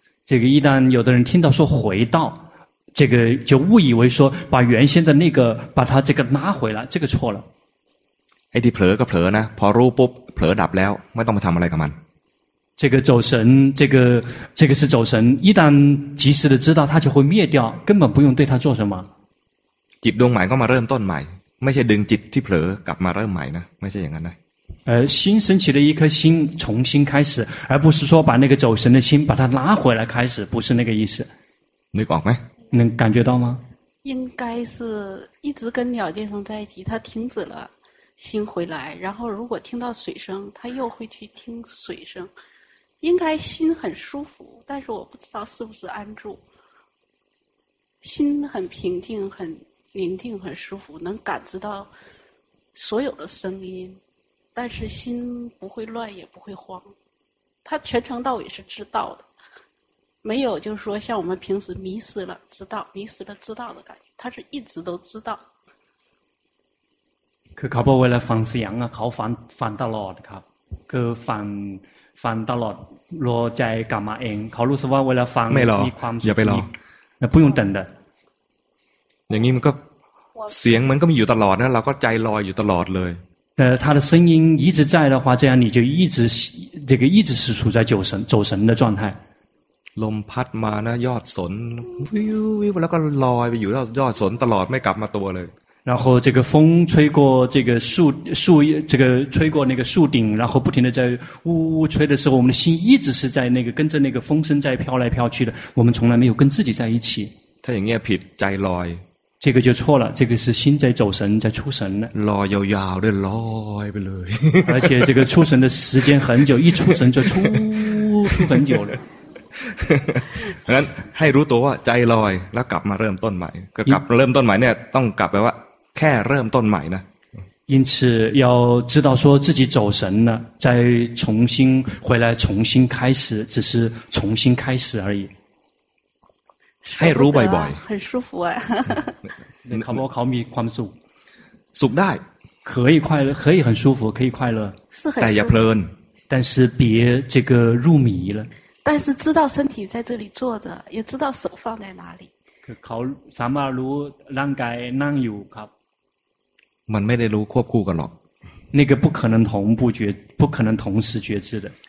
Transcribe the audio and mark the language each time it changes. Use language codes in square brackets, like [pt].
[zh] 这个一旦有的人听到说回到这个就误以为说把原先的那个把它这个拉回来这个错了 [th] ไอ้ที่เผลอก็เผลอนะพอรู้ปุ๊บเผลอดับแล้วไม่ต้องมาทำอะไรกับมัน [zh] 这个走神这个是走神一旦及时的知道它就会灭掉根本不用对它做什么 [th] จิตดวงใหม่ก็มาเริ่มต้นใหม่ไม่ใช่ดึงจิตที่เผลอกลับมาเริ่มใหม่นะไม่ใช่อย่างนั้นนะ [zh] 心升起了一颗心重新开始而不是说把那个走神的心把它拉回来开始不是那个意思你搞没能感觉到吗应该是一直跟鸟叫声在一起它停止了心回来然后如果听到水声它又会去听水声应该心很舒服但是我不知道是不是安住心很平静很宁静很舒服能感知到所有的声音但是心不会乱也不会慌它全程到尾是知道的没有就是说像我们平时迷失了知道迷失了知道的感觉他是一直都知道 [th] คือเขาบอกเวลาฟังเสียงอ่ะเขาฟังตลอดครับคือฟังตลอดรอใจกลับมาเองเขารู้สึกว่าเวลาฟัง มี ความ อย่าไปรอ [zh] 不用等的 [th] อย่างนี้มันก็เสียงมันก็มีอยู่ตลอดนะเราก็ใจลอยอยู่ตลอดเลย [zh] 他的声音一直在的话这样你就一直这个一直是处在走神的状态 [th] ลมพัดมานะยอดสนวิววิวแล้วก็ลอยไปอยู่ยอดสนตลอดไม่กลับมาตัวเลย [zh] 然后这个风吹过这个树这个吹过那个树顶然后不停的在呜呜吹的时候我们的心一直是在那个跟着那个风声在飘来飘去的我们从来没有跟自己在一起 [th] ถ้าอย่างเงี้ยผิดใจลอย [zh] 这个就错了这个是心在走神在出神 [th] ลอยยาวยาวเลยลอยไปเลย [zh] 而且这个出神的时间很久一出神就出很久了 [th] งั้นให้รู้ตัวว่าใจลอยแล้วกลับมาเริ่มต้นใหม่ก็กลับเริ่มต้นใหม่เนี่ยต้องกลับไปว่าแค่เริ่มต้นใหม่นะ [zh] 因此要知道说自己走神了再重新回来重新开始只是重新开始而已 [th] ให้รู้บ่อย [zh] ๆ很舒服啊 [th] เขาบอกเขามีความสุข สุขได้ [zh] 可以快乐，可以很舒服，可以快乐。是很舒服。但是别这个入迷了。但是知道身体在这里坐着，也知道手放在哪里。 [th] เขาสามารถรู้ร่างกายนั่งอยู่ครับ。 มันไม่ได้รู้ควบคู่กันหรอก。 [zh] 那个不可能同步觉，不可能同时觉知的。